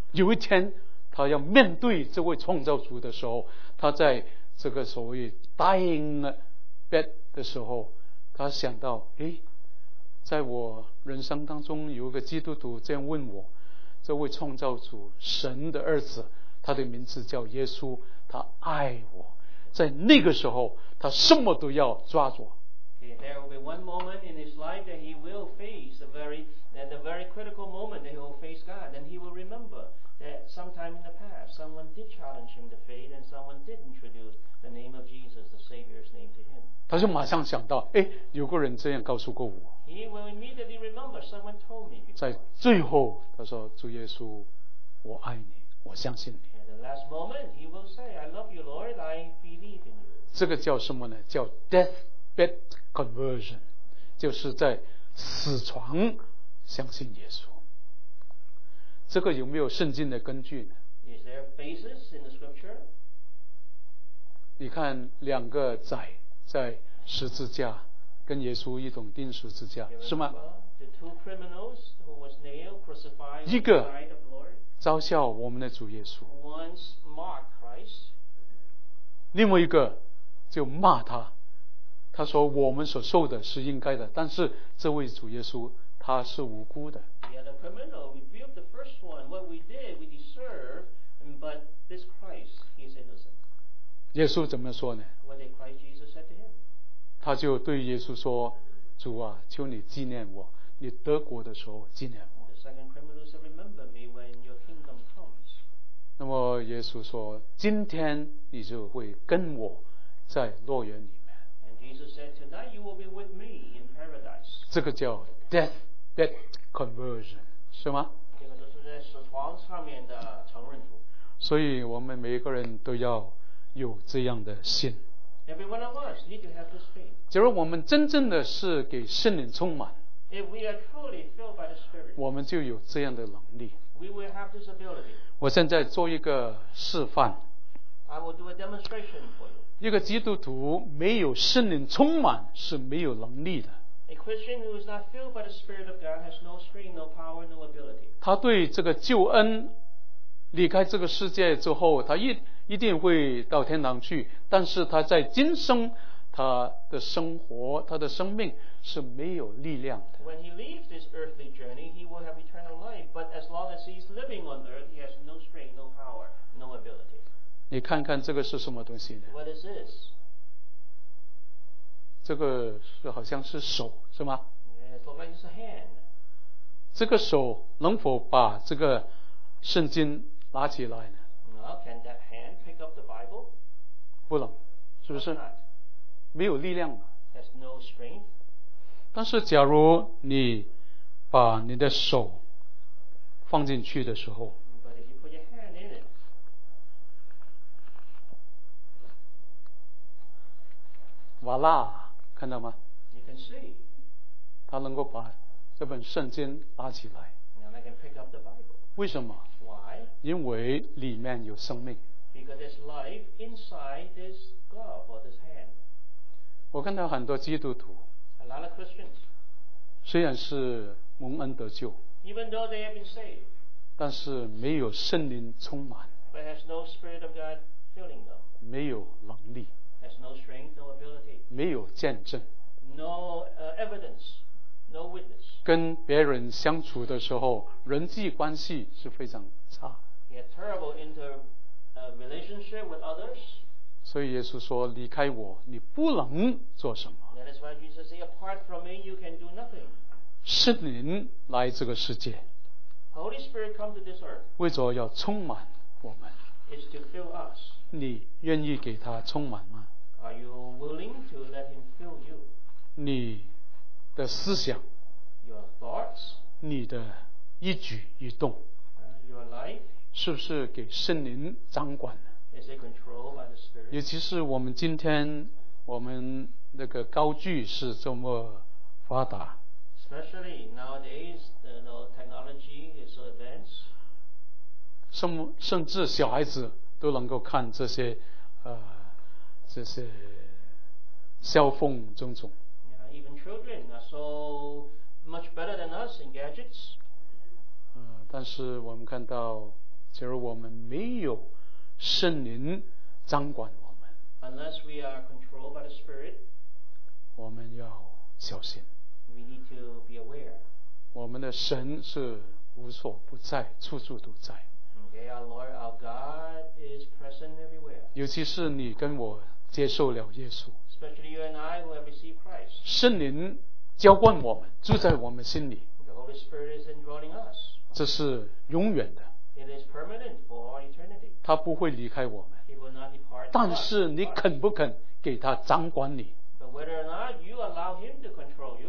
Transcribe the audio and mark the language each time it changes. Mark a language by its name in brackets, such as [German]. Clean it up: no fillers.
[Chinese] 有一天，他要面对这位创造主的时候，他在这个所谓 [English] dying bed [Chinese] 的时候，他想到，哎，在我人生当中有一个基督徒这样问我，这位创造主神的儿子，他的名字叫耶稣，他爱我。在那个时候，他什么都要抓住。 [English] Okay, there will be one moment in his life that he will face a very At the very critical moment that he will face God, then he will remember that sometime in the past, someone did challenge him to faith, and someone did introduce the name of Jesus, the Savior's name to him. [Chinese] 他就马上想到，哎，有个人这样告诉过我。 [English] He will immediately remember someone told me. [Chinese] 在最后，他说：“主耶稣，我爱你，我相信你。” [English] At the last moment, he will say, "I love you, Lord. I believe in you." [Chinese] 这个叫什么呢？叫 [English] deathbed conversion， [Chinese] 就是在死床。相信耶稣这个有没有圣经的根据呢 [English] Is there a basis in the scripture? [Chinese] 你看两个宰在十字架跟耶稣一同钉十字架 [English] remember, [Chinese] 是吗 [English] the two criminals who was nailed, crucified [Chinese] 一个嘲笑我们的主耶稣 [English] Once mocked Christ, [Chinese] 另外一个就骂他他说我们所受的是应该的但是这位主耶稣他是无辜的。 [English] Yeah, the criminal rebuked the first one. What we did, we deserve, but this Christ, he is innocent. [Chinese] 耶稣怎么说呢 [English] ？What did Christ Jesus said to him? [Chinese] 他就对耶稣说：“主啊，求你纪念我，你得国的时候纪念我。 [English] ”The second criminal said, "Remember me when your kingdom comes." [Chinese] 那么耶稣说：“今天你就会跟我在乐园里面。 [English] ”And Jesus said, "Tonight you will be with me in paradise." [Chinese] 这个叫。 [English] Death bed conversion [Chinese] 是吗？这个就是在死床上面的承认主。所以我们每一个人都要有这样的心。 [English] Every one of us need to have this faith. [Chinese] 假如我们真正的是给圣灵充满 [English] ，If we are truly filled by the Spirit， [Chinese] 我们就有这样的能力。 [English] We will have this ability. [Chinese] 我现在做一个示范。 [English] I will do a demonstration for you. [Chinese] 一个基督徒没有圣灵充满是没有能力的。 [English] A Christian who is not filled by the Spirit of God has no strength, no power, no ability. [Chinese] 他对这个救恩离开这个世界之后，他一定会到天堂去。但是他在今生，他的生活，他的生命是没有力量的。 [English] When he leaves this earthly journey, he will have eternal life. But as long as he is living on earth, he has no strength, no power, no ability. [Chinese] 你看看这个是什么东西呢 [English] ？What is this? [Chinese] 这个是好像是手是吗 [English] yes, look like it's a hand. [Chinese] 这个手能否把这个圣经拿起来呢 [English] no, can that hand pick up the Bible? [Chinese] 不能是不是没有力量嘛 [English] has no strength. [Chinese] 但是假如你把你的手放进去的时候 [English] But if you put your hand in it, [Chinese] 哇啦看到吗 [English] you can see. [Chinese] 他能够把这本圣经拿起来。 [English] Now I can pick up the Bible. [Chinese] 为什么？ [English] Why? [Chinese] 因为里面有生命。 [English] Because there's life inside this glove or this hand. [Chinese] 我看到很多基督徒。 [English] A lot of Christians. [Chinese] 虽然是蒙恩得救。 [English] Even though they have been saved. [Chinese] 但是没有圣灵充满。 [English] But has no spirit of God filling them. [Chinese] 没有能力。 [English] Has no strength, no ability. [Chinese] 没有见证。 [English] No evidence. No witness. [Chinese] 跟别人相处的时候，人际关系是非常差。 [English] He had terrible interrelationship with others. [Chinese] 所以耶稣说：“离开我，你不能做什么。” [English] That is why Jesus said, "Apart from me, you can do nothing." [Chinese] 圣灵来这个世界。 [English] Holy Spirit come to this earth. [Chinese] 为着要充满我们。 [English] Is to fill us. [Chinese] 你愿意给他充满吗？ [English] Are you willing to let him fill you? [Chinese] 你。的思想 [English] your thoughts, [Chinese] 你的一举一动 [English] your life, [Chinese] 是不是给圣灵掌管 [English] 呢 is it controlled by the Spirit? [Chinese] 尤其是我们今天我们那个高技是这么发达 [English] especially nowadays, the technology is so advanced, [Chinese] 甚至小孩子都能够看这些这些 [English] cell phone [Chinese] 种种 [English] Even children are so much better than us in gadgets. [Chinese] 但是我们看到，假如我们没有圣灵掌管我们 [English] ，unless we are controlled by the Spirit， [Chinese] 我们要小心。 [English] We need to be aware. [Chinese] 我们的神是无所不在，处处都在。 [English] Okay, our Lord, our God is present everywhere. [Chinese] 尤其是你跟我接受了耶稣。 [English] Especially you and I who have received Christ. [Chinese] 圣灵浇灌我们，住在我们心里。 [English] The Holy Spirit is indwelling us. [Chinese] 这是永远的。 [English] It is permanent for all eternity. [Chinese] 他不会离开我们。 [English] He will not depart. [Chinese] 但是你肯不肯给他掌管你？ [English] But whether or not you allow him to control you.